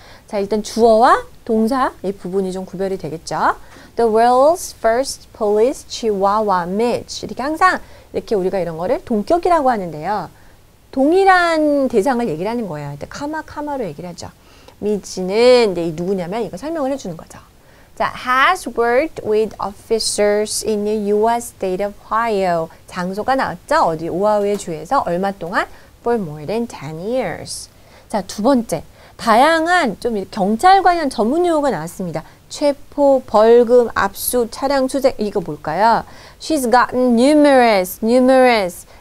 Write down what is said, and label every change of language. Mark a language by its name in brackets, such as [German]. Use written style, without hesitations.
[Korean] 자, 일단 주어와 동사 이 부분이 좀 구별이 되겠죠. [English] The world's first police chihuahua, Mitch. [Korean] 이렇게 항상 이렇게 우리가 이런 거를 동격이라고 하는데요. 동일한 대상을 얘기를 하는 거예요. 이때 카마 카마로 얘기를 하죠. 미쥬는 이제 누구냐면 이거 설명을 해주는 거죠. [English] That has worked with officers in the U.S. state of Ohio. [Korean] 장소가 나왔죠? 어디? 오하이오 주에서 얼마 동안? [English] For more than 10 years. [Korean] 자, 두 번째. 다양한 좀 경찰 관련 전문 용어가 나왔습니다. 체포, 벌금, 압수, 차량 수색. 이거 뭘까요? [English] She's gotten numerous.